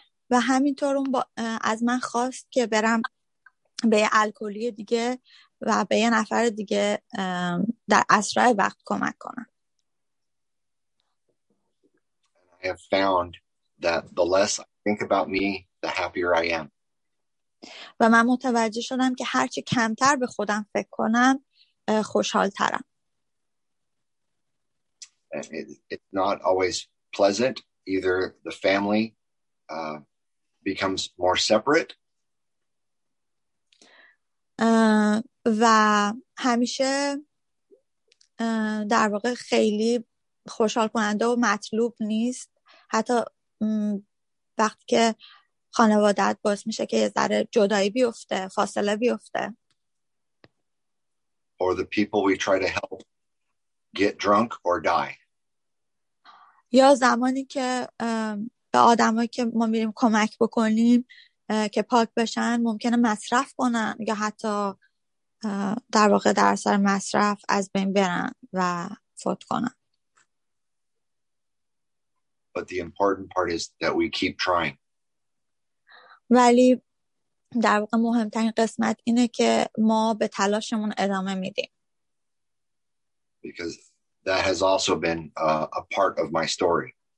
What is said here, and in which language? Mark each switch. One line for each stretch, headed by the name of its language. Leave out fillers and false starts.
Persian: و همینطور اون از من خواست که برم به الکلی دیگه و به یه نفر دیگه در اسرع وقت کمک کنم.
English: I have found that the less I think about me, the happier I am.
Persian: و من متوجه شدم که هرچی کمتر به خودم فکر کنم خوشحال ترم.
English: It's not always pleasant. Either the family becomes more separate.
Persian: و همیشه در واقع خیلی خوشحال کننده و مطلوب نیست، حتی وقتی که خانوادت باعث میشه که یه ذره جدایی بیفته، فاصله بیفته.
English: Or the people we try to help get drunk or die.
Persian: یا زمانی که به آدم هایی که ما میریم کمک بکنیم که پاک بشن ممکنه مصرف کنن یا حتی در واقع در اثر مصرف از بین برن و فوت کنن.
English: But the important part is that we keep trying.
Persian: ولی در واقع مهمترین قسمت اینه که ما به تلاشمون ادامه میدیم.
English: Because that has also been a part of my story.